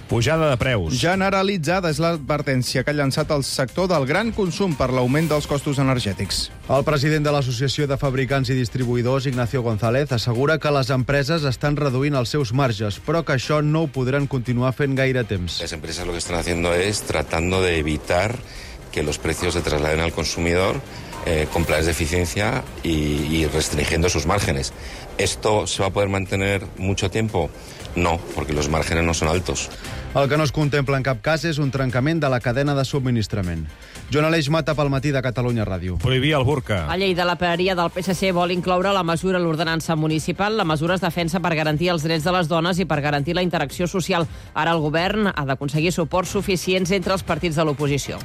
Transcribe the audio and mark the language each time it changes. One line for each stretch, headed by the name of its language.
Catalan: Pujada de preus. Generalitzada és l'advertència que ha llançat el sector del gran consum per l'augment dels costos energètics. El president de l'Associació de Fabricants i Distribuïdors, Ignacio González, assegura que les empreses estan reduint els seus marges, però que això no ho podran continuar fent gaire temps.
Spanish: Les empreses lo que están haciendo es tratando de evitar que los precios se trasladen al consumidor con planes de eficiencia y restringiendo sus márgenes. ¿Esto se va a poder mantener mucho tiempo? No, porque los márgenes no son altos.
Catalan: El que no es contempla en cap cas és un trencament de la cadena de subministrament. Joan Aleix Mata, pel matí de Catalunya Ràdio. Prohibir el burca. La llei de la pereria del PSC vol incloure la mesura a l'ordenança municipal. La mesura es defensa per garantir els drets de les dones i per garantir la interacció social. Ara el govern ha d'aconseguir suports suficients entre els partits de l'oposició.